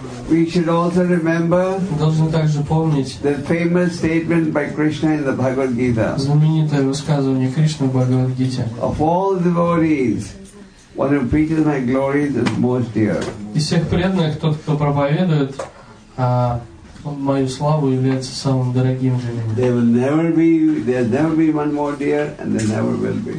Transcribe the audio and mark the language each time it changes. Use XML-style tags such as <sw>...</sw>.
<en>We should also remember the famous statement by Krishna in the Bhagavad Gita.</en> <ru>Знаменитое высказывание Кришны в Бхагавад Гите.</ru> <en>Of all devotees, one who preaches my glory is most dear.</en> <ru>Из всех преданных тот, кто проповедует мою славу, является самым дорогим для меня.</ru> <en>There will never be one more dear, and there never will be.</en>